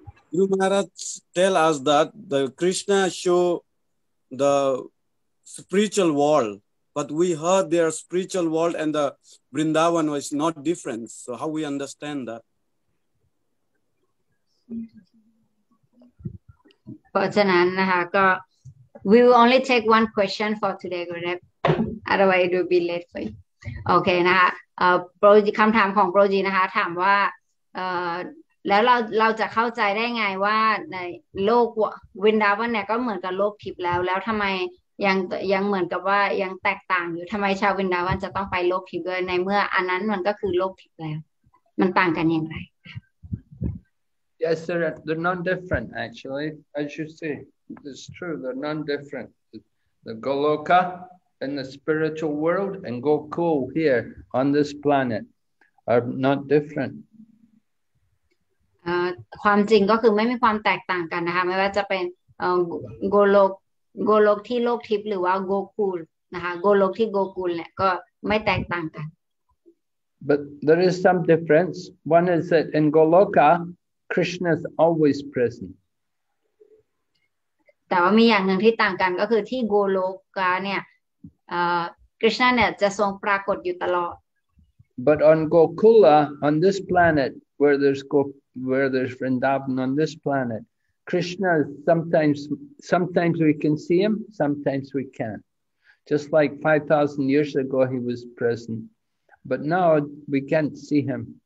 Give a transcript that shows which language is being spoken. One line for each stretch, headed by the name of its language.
English: Guru Maharaj, tell us that the Krishna show the spiritual world, but we heard their spiritual world and the Vrindavan was not different. So how we understand that?
Thai: เพราะฉะนั้นนะคะก็
English: we will only take one question for today Gurudev otherwise it will be late for you
Thai: โอเคนะคะโปรจีคำถามของโปรจีนะคะถามว่าแล้วเราจะเข้าใจได้ไงว่าในโลกวินดาวันเนี่ยก็เหมือนกับโลกทิพย์แล้วทำไมยังเหมือนกับว่ายังแตกต่างอยู่ทำไมชาววินดาวันจะต้องไปโลกทิพย์ด้วยในเมื่ออันนั้นมันก็คือโลกทิพย์แล้วมันต่างกันอย่างไร
English: Yes, they're non-different, actually. As you see, it's true, they're non-different. The Goloka in the spiritual world and Gokul here on this planet are not different.
Thai: ความจริงก็คือไม่มีความแตกต่างกันนะคะไม่ว่าจะเป็นโกโลกที่โลกทิพย์หรือว่าโกคูลนะคะโกโลกที่โกคูลเนี่ยก็ไม่แตกต่างกัน
English: But there is some difference. One is that in Goloka, Krishna is always present.
Thai: แต่ว่ามีอย่างหนึ่งที่ต่างกันก็คือที่โกโลกาเนี่ยคริชนาเนี่ยจะทรงปรากฏอยู่ตลอด
English: But on Gokula, on this planet, where there's Vrindavan on this planet, Krishna sometimes we can see him, sometimes we can't. Just like 5,000 years ago he was present. But now we can't see him.